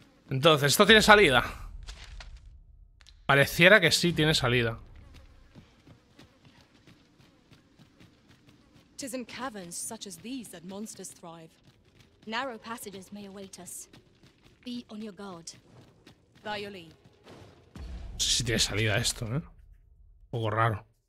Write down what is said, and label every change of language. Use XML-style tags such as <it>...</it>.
<es>Entonces, ¿esto tiene salida? Pareciera que sí tiene salida. Es en cavernas como estas que los monstruos thrive.</es> <en>Narrow passages may await us. Be on your guard. By your lead.</en> <es>No sé si tiene salida esto, ¿eh? Un poco raro.</es>